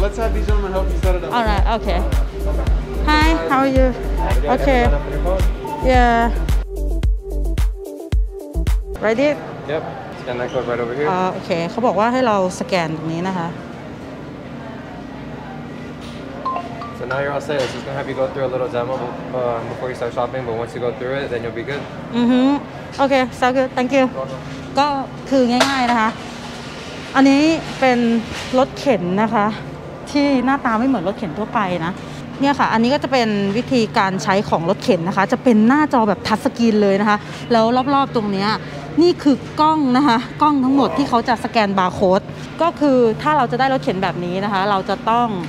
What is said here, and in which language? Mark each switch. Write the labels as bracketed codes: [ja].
[en] Let's have these gentlemen help you set it up. All right. Okay. Hi. How are you? Okay. Yeah. Ready? Yep. Scan that code right over here. Okay. [th] เขาบอกว่าให้เราสแกนตรงนี้นะคะ [en] So now you're all set. I'm just gonna have you go through a little demo before you start shopping. But once you go through it, then you'll be good. Mm-hmm. Okay. So good. Thank you. You're welcome. [th] ก็คือง่ายๆนะคะอันนี้เป็นรถเข็นนะคะที่หน้าตาไม่เหมือนรถเข็นทั่วไปนะเนี่ยค่ะอันนี้ก็จะเป็นวิธีการใช้ของรถเข็นนะคะจะเป็นหน้าจอแบบทัชสกรีนเลยนะคะแล้วรอบๆตรงนี้นี่คือกล้องนะคะกล้องทั้งหมดที่เขาจะสแกนบาร์โค้ดก็คือถ้าเราจะได้รถเข็นแบบนี้นะคะเราจะต้อง